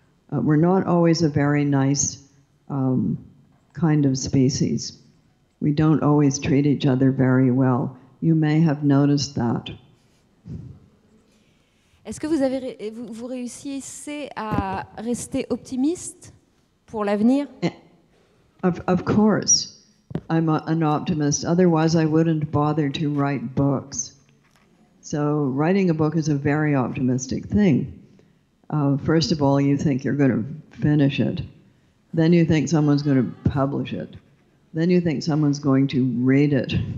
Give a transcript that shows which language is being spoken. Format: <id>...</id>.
<en>We're not always a very nice kind of species. We don't always treat each other very well. You may have noticed that.</en> <fr>Est-ce que vous réussissez à rester optimiste pour l'avenir?</fr> <en>Of course, I'm an optimist. Otherwise, I wouldn't bother to write books. So writing a book is a very optimistic thing. First of all, you think you're going to finish it. Then you think someone's going to publish it. Then you think someone's going to read it.</en>